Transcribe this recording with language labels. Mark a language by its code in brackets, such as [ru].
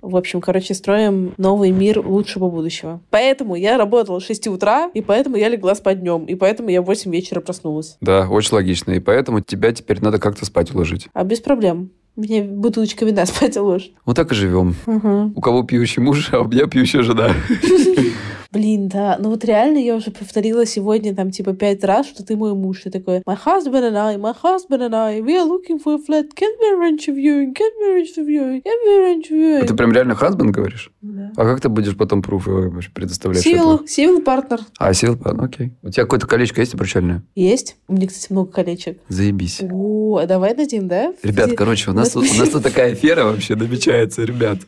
[ru] В общем, короче, строим новый мир лучшего будущего. Поэтому я работала с 6 утра, и поэтому я легла спать днем, и поэтому я в 8 вечера проснулась. Да, очень логично. И поэтому тебя теперь надо как-то спать уложить. А без проблем. Мне бутылочка вина спать уложит. Вот так и живем. Угу. У кого пьющий муж, а у меня пьющая жена. Блин, да. Ну вот реально я уже повторила сегодня там типа 5 раз, что ты мой муж. Я такой, [en] my husband and I, we are looking for a flat. Can we arrange for you? [ru] Ты прям реально husband говоришь? Да. А как ты будешь потом пруфы предоставлять? [en] Civil partner. [ru] А, civil partner, окей. У тебя какое-то колечко есть обручальное? Есть. У меня, кстати, много колечек. Заебись. О, давай дадим, да? Ребят, короче, у нас тут такая афера вообще намечается, ребят.